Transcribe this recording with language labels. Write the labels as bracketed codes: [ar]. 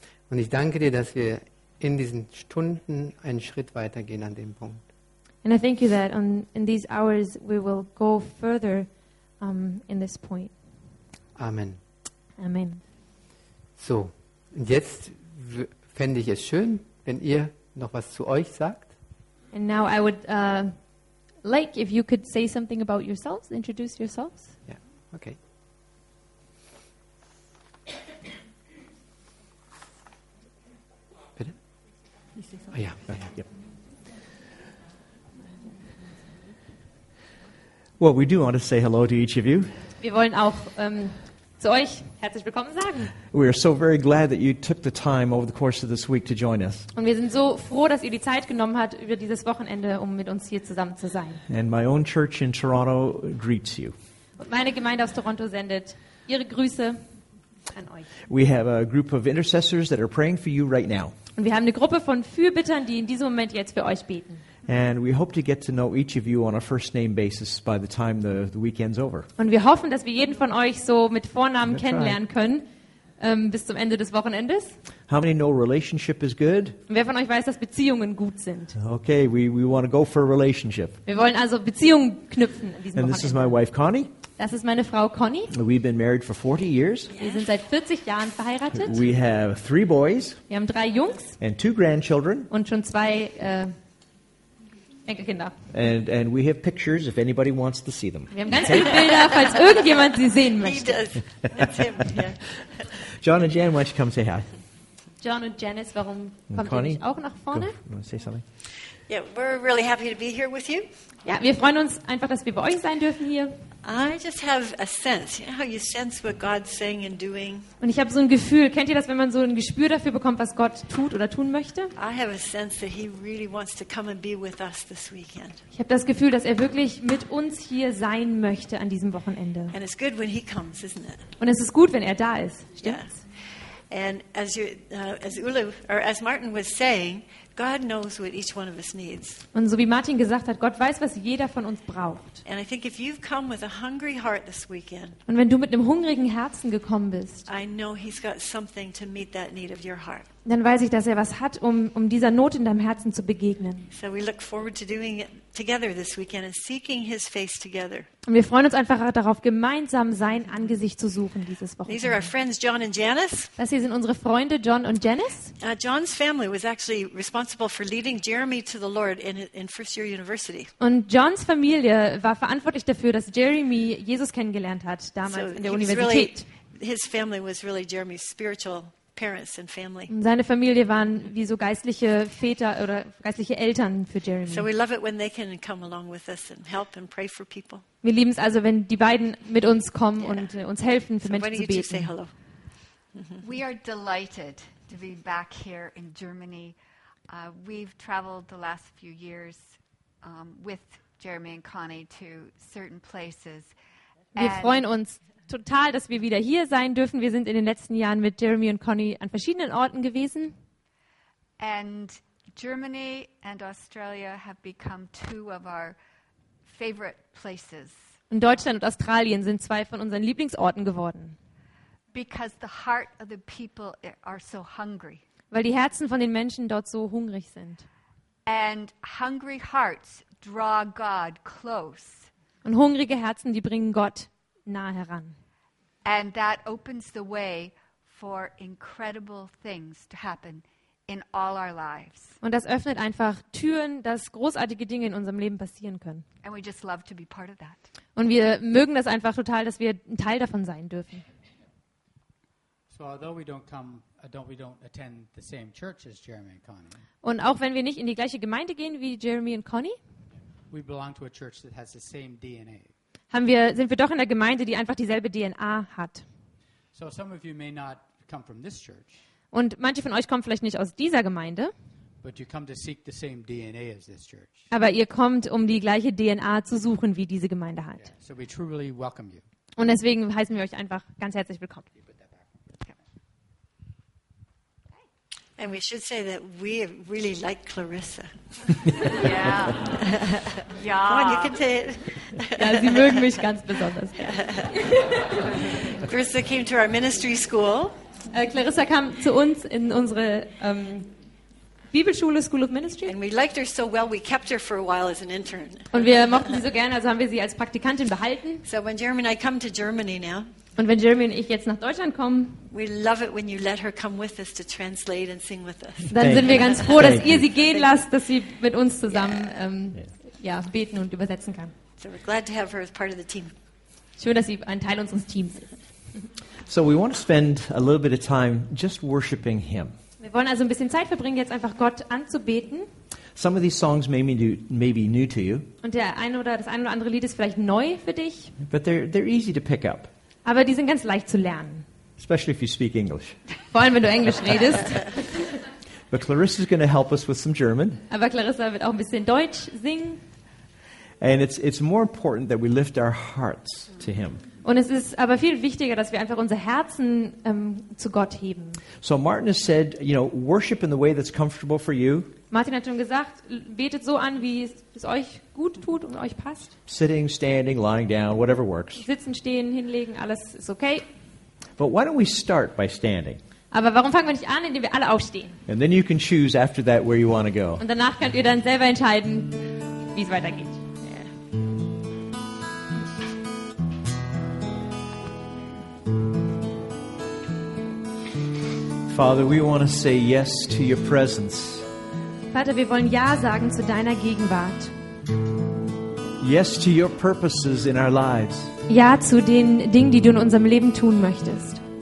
[de] Und ich danke dir, dass wir in diesen Stunden einen Schritt weitergehen an dem Punkt. [en] And I thank you that in these hours we will go further in this point. Amen. Amen. [de] So, und jetzt fände ich es schön, wenn ihr noch was zu euch sagt. [en] And now I would like if you could say something about yourselves, introduce yourselves. Yeah. Okay. [de] Bitte? Ah, ja. [en] Well, we do want to say hello to each of you. [de] Wir wollen auch zu euch herzlich willkommen sagen. [en] We are so very glad that you took the time over the course of this week to join us. [de] Und wir sind so froh, dass ihr die Zeit genommen habt über dieses Wochenende, um mit uns hier zusammen zu sein. [en] And my own church in Toronto greets you. [de] Und meine Gemeinde aus Toronto sendet ihre Grüße an euch. [en] We have a group of intercessors that are praying for you right now. [de] Und wir haben eine Gruppe von Fürbittern, die in diesem Moment jetzt für euch beten. [en] And we hope to get to know each of you on a first name basis by the time the weekend's over. [de] Und wir hoffen, dass wir jeden von euch so mit Vornamen [en] That's [de] kennenlernen [en] right. [de] können bis zum Ende des Wochenendes. [en] How many know relationship is good? [de] Und wer von euch weiß, dass Beziehungen gut sind? [en] Okay, we want to go for a relationship. [de] Wir wollen also Beziehungen knüpfen in diesem Wochenende. [en] And this is my wife Connie. [de] Das ist meine Frau Connie. [en] We've been married for 40 years. [de] Wir sind seit 40 Jahren verheiratet. [en] We have three boys. [de] Wir haben drei Jungs. [en] And two grandchildren. [de] Und schon zwei Enkelkinder. [en] And we have pictures if anybody wants to see them. [de] Wir haben ganz viele Bilder, falls irgendjemand sie sehen möchte. [en] He does. That's him. Yeah. John and Jan, why don't you come say hi? [de] John und Janice, warum kommt ihr auch nach vorne? [en] Go. You want to say something? Yeah, we're really happy to be here with you. [de] Ja, wir freuen uns einfach, dass wir bei euch sein dürfen hier. [en] I just have a sense. You know how you sense what God's saying and doing? [de] Und ich habe so ein Gefühl. Kennt ihr das, wenn man so ein Gespür dafür bekommt, was Gott tut oder tun möchte? [en] I have a sense that he really wants to come and be with us this weekend. [de] Ich habe das Gefühl, dass er wirklich mit uns hier sein möchte an diesem Wochenende. [en] And it's good when he comes, isn't it? [de] Und es ist gut, wenn er da ist. Stimmt's? [en] Yeah. And as Ulu, or as Martin was saying, God knows what each one of us needs. [de] Und so wie Martin gesagt hat, Gott weiß, was jeder von uns braucht. [en] And I think if you've come with a hungry heart this weekend. [de] Und wenn du mit einem hungrigen Herzen gekommen bist. [en] I know he's got something to meet that need of your heart. [de] Dann weiß ich, dass er was hat, um dieser Not in deinem Herzen zu begegnen. [en] So we look forward to doing it together this weekend and seeking his face together. [de] Und wir freuen uns einfach darauf, gemeinsam sein Angesicht zu suchen dieses Wochenende. [en] These are our friends John and Janice. [de] Das hier sind unsere Freunde John und Janice. [en] John's family was actually responsible for leading Jeremy to the Lord in first year university. [de] Und Johns Familie war verantwortlich dafür, dass Jeremy Jesus kennengelernt hat damals so in der Universität. [en] Really, his family was really Jeremy's spiritual parents and family. [de] Seine Familie waren wie so geistliche Väter oder geistliche Eltern für Jeremy. [en] So we love it when they can come along with us and help and pray for people. [de] Wir lieben es also, wenn die beiden mit uns kommen und uns helfen, für Menschen zu beten. [en] Say hello. We are delighted to be back here in Germany. We've traveled the last few years with Jeremy and Connie to certain places. [de] Wir freuen uns total, dass wir wieder hier sein dürfen. Wir sind in den letzten Jahren mit Jeremy und Connie an verschiedenen Orten gewesen. [en] And Germany and Australia have become two of our favorite places. [de] Und Deutschland und Australien sind zwei von unseren Lieblingsorten geworden. [en] Because the heart of the people are so hungry. [de] Weil die Herzen von den Menschen dort so hungrig sind. [en] And hungry hearts draw God close. [de] Und hungrige Herzen, die bringen Gott nah heran. [en] And that opens the way for incredible things to happen in all our lives. [de] Und das öffnet einfach Türen, dass großartige Dinge in unserem Leben passieren können. [en] And we just love to be part of that. [de] Und wir mögen das einfach total, dass wir ein Teil davon sein dürfen. [en] So although we don't come, we don't attend the same church as Jeremy and Connie. [de] Und auch wenn wir nicht in die gleiche Gemeinde gehen wie Jeremy und Connie, [en] we belong to a church that has the same DNA. [de] Sind wir doch in der Gemeinde, die einfach dieselbe DNA hat. [en] So some of you may not come from this church. [de] Und manche von euch kommen vielleicht nicht aus dieser Gemeinde. [en] But you come to seek the same DNA as this church. [de] Aber ihr kommt, um die gleiche DNA zu suchen, wie diese Gemeinde hat. [en] Yeah. So we truly welcome you. [de] Und deswegen heißen wir euch einfach ganz herzlich willkommen. [en] And we should say that we really like Clarissa. Yeah. Yeah. Come on, you can say it. [de] Ja, sie mögen mich ganz besonders. [en] Clarissa came to our ministry school. [de] Clarissa kam zu uns in unsere Bibelschule, School of Ministry. [en] And we liked her so well, we kept her for a while as an intern. [de] Und wir mochten sie so gerne, also haben wir sie als Praktikantin behalten. [en] So when Jeremy and I come to Germany now. [de] Und wenn Jeremy und ich jetzt nach Deutschland kommen, [en] we love it when you let her come with us to translate and sing with us. [de] Dann sind wir ganz froh, dass ihr sie gehen lasst, dass sie mit uns zusammen beten und übersetzen kann. [en] So we're glad to have her as part of the team. [de] Schön, dass sie ein Teil unseres Teams ist. [en] So we want to spend a little bit of time just worshiping him. [de] Wir wollen also ein bisschen Zeit verbringen, jetzt einfach Gott anzubeten. [en] Some of these songs may be new to you. [de] Und der eine oder das eine oder andere Lied ist vielleicht neu für dich. [en] But they're easy to pick up. [de] Aber die sind ganz leicht zu lernen. [en] Especially if you speak English. [de] Vor allem wenn du Englisch redest. [en] But Clarissa is going to help us with some German. [de] Aber Clarissa wird auch ein bisschen Deutsch singen. [en] And it's more important that we lift our hearts to him. [de] Und es ist aber viel wichtiger, dass wir einfach unser Herzen zu Gott heben. [en] So Martin has said, you know, worship in the way that's comfortable for you. [de] Martin hat schon gesagt, betet so an, wie es euch gut tut und euch passt. [en] Sitting, standing, lying down, whatever works. [de] Sitzen, stehen, hinlegen, alles ist okay. [en] But why don't we start by standing? [de] Aber warum fangen wir nicht an, indem wir alle aufstehen? [en] And then you can choose after that where you want to go. [de] Und danach könnt ihr dann selber entscheiden, wie es weitergeht. [en] Father, we want to say yes to your presence. [de] Vater, wir wollen ja sagen zu deiner Gegenwart. [en] Yes to your purposes in our lives. [de] Ja zu den Dingen, die du in unserem Leben tun möchtest.